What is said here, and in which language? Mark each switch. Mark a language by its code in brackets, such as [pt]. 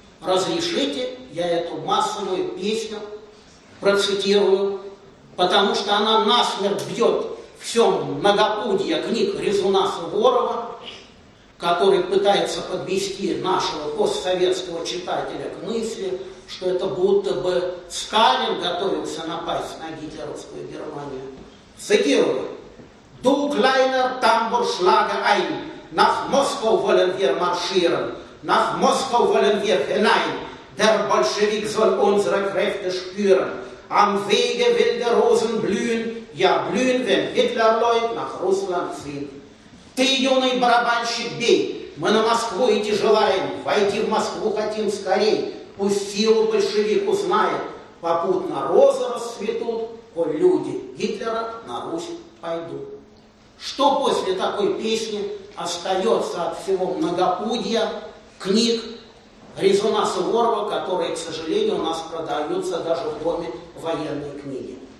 [ru] Разрешите, я эту массовую песню процитирую, потому что она насмерть бьет все многопудье книг Резуна Суворова, который пытается подвести нашего постсоветского читателя к мысли, что это будто бы Сталин готовился напасть на гитлеровскую Германию. Цитирую. [de] «Du kleiner Tambour schlage ein, nach Moskau wollen wir marschieren, nach Moskau wollen wir hinein, der Bolschewik soll unsere Kräfte spüren, am Wege will der Rosen blühen, ja blühen, wenn Hitlerleut nach Russland ziehen. [ru] Ты, юный барабанщик, бей, мы на Москву идти желаем, войти в Москву хотим скорей, пусть силу большевик узнает, попутно розы расцветут, коль люди Гитлера на Русь пойдут». Что после такой песни остается от всего многопудья книг Резуна Суворова, которые, к сожалению, у нас продаются даже в доме военной книги?